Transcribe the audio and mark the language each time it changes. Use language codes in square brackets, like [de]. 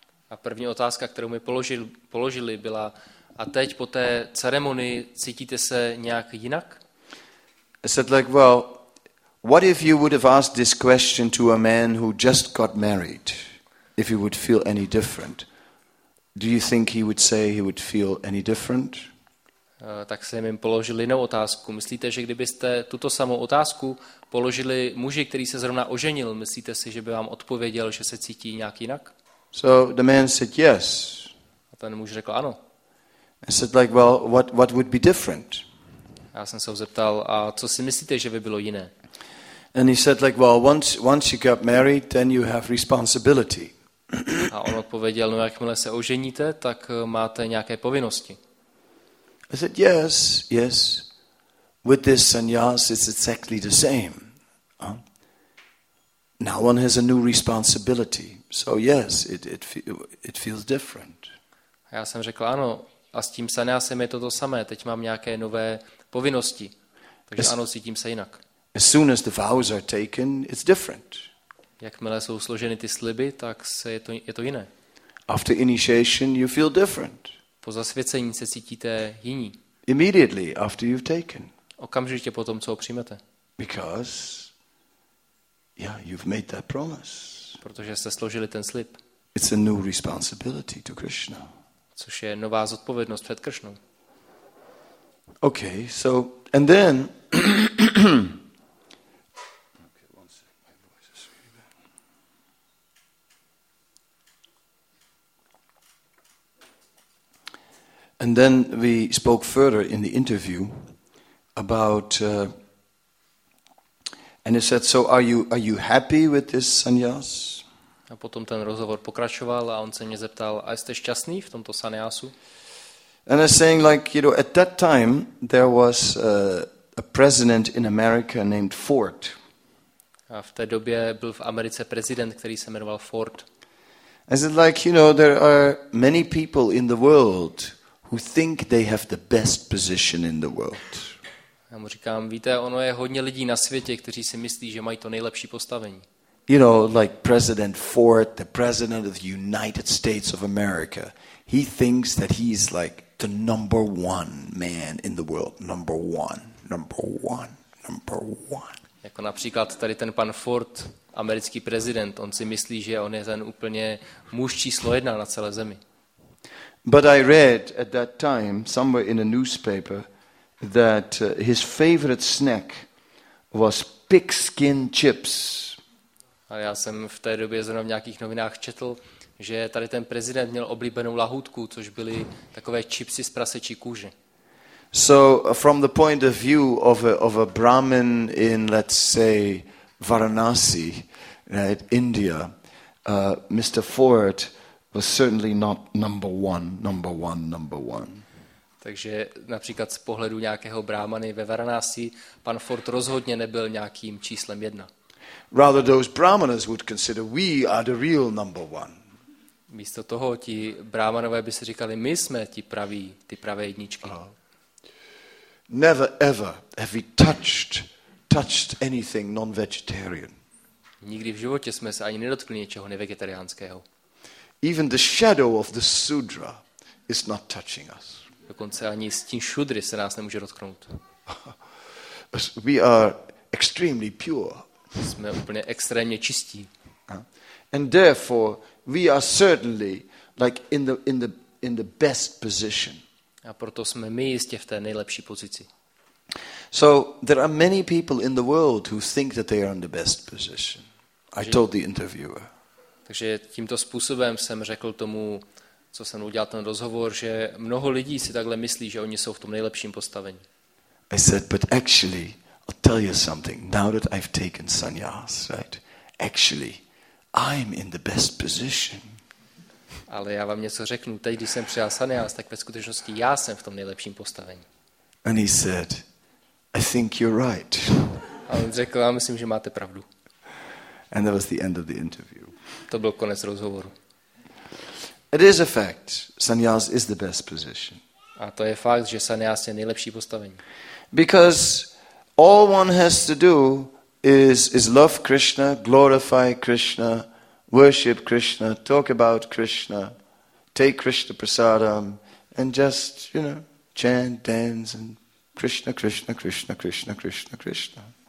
[cs] A první otázka, kterou mi položili, byla: a teď po té ceremonii cítíte se nějak jinak? [en] I said like, well, what if you would have asked this question to a man who just got married? If he would feel any different? Do you think he would say he would feel any different? [cs] Tak jsem jim položil jinou otázku. Myslíte, že kdybyste tuto samou otázku položili muži, který se zrovna oženil, myslíte si, že by vám odpověděl, že se cítí nějak jinak? [en] So the man said yes. [cs] A ten muž řekl ano. [en] I said like, well, what would be different? [cs] Já jsem se ho zeptal, a co si myslíte, že by bylo jiné? [en] And he said like, well, once you got married, then you have responsibility. [cs] A on odpověděl, no jakmile se oženíte, tak máte nějaké povinnosti. [en] I said yes, yes. With this sannyas, it's exactly the same. Now one has a new responsibility. So yes, it feels different. [cs] Já jsem řekl ano, a s tím sannyasem je to to samé. Teď mám nějaké nové povinnosti. Takže ano, cítím se jinak. [en] As soon as the vows are taken, it's different. [cs] Jakmile jsou složeny ty sliby, tak se je to jiné. [en] After initiation, you feel different. [cs] Po zasvěcení se cítíte jiní. [en] Immediately after you've taken. [cs] Okamžitě po tom, co ho přijmete. [en] Because, yeah, you've made that promise. [cs] Protože jste složili ten slib. [en] It's a new responsibility to Krishna. [cs] Což je nová zodpovědnost před Kršnou. [en] Okay, so and then. And then we spoke further in the interview about and he said, so are you happy with this sannyas? [cs] A potom ten rozhovor pokračoval a on se mě zeptal, a jste šťastný v tomto sannyasu? [en] And I'm saying like, you know, at that time there was a president in America named Ford. [cs] A v té době byl v Americe prezident, který se jmenoval Ford. [en] I said like, you know, there are many people in the world who think they have the best position in the world. [cs] Já mu říkám, víte, ono je hodně lidí na světě, kteří si myslí, že mají to nejlepší postavení. [en] You know, like President Ford, the president of the United States of America, he thinks that he's like the number one man in the world, number one, number one, number one. [cs] Jako například tady ten pan Ford, americký prezident, on si myslí, že on je ten úplně muž číslo jedna na celé zemi. [en] But I read at that time somewhere in a newspaper that his favorite snack was pigskin chips. [cs] A já jsem v té době zrovna v nějakých novinách četl, že tady ten prezident měl oblíbenou lahůdku, což byly takové chipsy z prasečí kůže. [en] So from the point of view of a Brahmin in, let's say, Varanasi, right, India, Mr. Ford was certainly not number one, number one, number one. [cs] Takže například z pohledu nějakého brahmany ve Varanasi, pan Ford rozhodně nebyl nějakým číslem jedna. [en] Rather those brahmanas would consider we are the real number one. [cs] Místo toho ti brahmanové by si říkali, my jsme ty pravé jedničky. [en] Never ever have we touched anything non-vegetarian. [cs] Nikdy v životě jsme se ani nedotkli něčeho nevegetariánského. [en] Even the shadow of the sudra is not touching us. [cs] Dokonce ani stín šudry se nás nemůže dotknout. [en] We are extremely pure. [cs] Jsme úplně extrémně čistí. [en] And therefore we are certainly like in the best position. [cs] A proto jsme my jistě v té nejlepší pozici. [en] So there are many people in the world who think that they are in the best position. I told the interviewer. [cs] Takže tímto způsobem jsem řekl tomu, co jsem udělal ten rozhovor, že mnoho lidí si takhle myslí, že oni jsou v tom nejlepším postavení. [en] I said, but actually, I'll tell you something. Now that I've taken sannyas, right? Actually, I'm in the best position. [cs] Ale já vám něco řeknu. Teď, když jsem přijal sannyas, tak ve skutečnosti já jsem v tom nejlepším postavení. [en] And he said, I think you're right. [cs] A on řekl, já myslím, že máte pravdu. [en] And that was the end of the interview. [cs] To byl konec rozhovoru. [en] It is a fact, sannyas is the best position. [cs] A to je fakt, že sannyas je nejlepší postavení. [en] Because all one has to do is love Krishna, glorify Krishna, worship Krishna, talk about Krishna, take Krishna prasadam, and just, you know, chant, dance, and Krishna, Krishna, Krishna, Krishna, Krishna, Krishna.